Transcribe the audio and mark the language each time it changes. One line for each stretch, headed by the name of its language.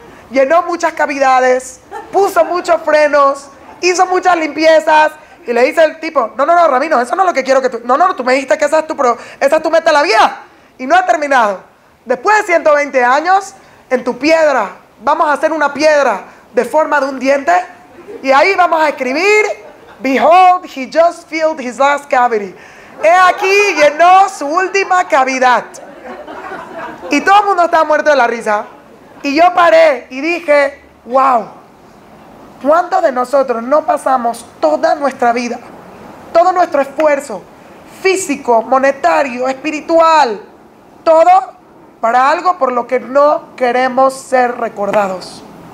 Spanish: Llenó muchas cavidades, puso muchos frenos, hizo muchas limpiezas. Y le dice el tipo, no, Ramino, eso no es lo que quiero que tú... No, tú me dijiste que esa es tu meta en la vida. Y no ha terminado. Después de 120 años, en tu piedra, vamos a hacer una piedra de forma de un diente. Y ahí vamos a escribir,
English: behold, he just filled his last cavity.
Spanish: He aquí, llenó su última cavidad. Y todo el mundo estaba muerto de la risa. Y yo paré y dije, wow, ¿cuántos de nosotros no pasamos toda nuestra vida, todo nuestro esfuerzo físico, monetario, espiritual, todo para algo por lo que no queremos ser recordados?